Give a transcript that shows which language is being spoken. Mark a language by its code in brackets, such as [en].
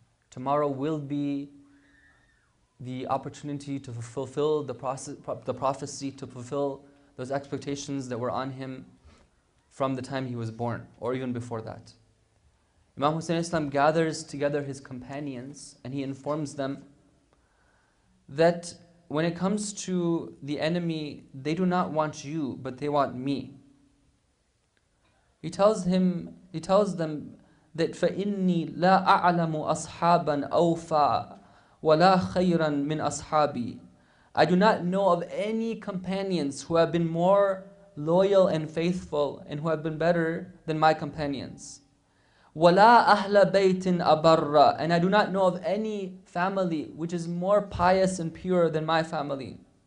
[en] Tomorrow will be the opportunity to fulfill the prophecy, to fulfill those expectations that were on him from the time he was born, or even before that. Imam Hussein alayhi salam gathers together his companions and he informs them that when it comes to the enemy, they do not want you, but they want me. He tells them that [ar] فَإِنِّي لَا أَعْلَمُ أَصْحَابًا أَوْفَى وَلَا خَيْرًا مِنْ أَصْحَابِي. [en] I do not know of any companions who have been more loyal and faithful and who have been better than my companions. [ar] وَلَا أَهْلَ بَيْتٍ أَبَرَّ. [en] And I do not know of any family which is more pious and pure than my family.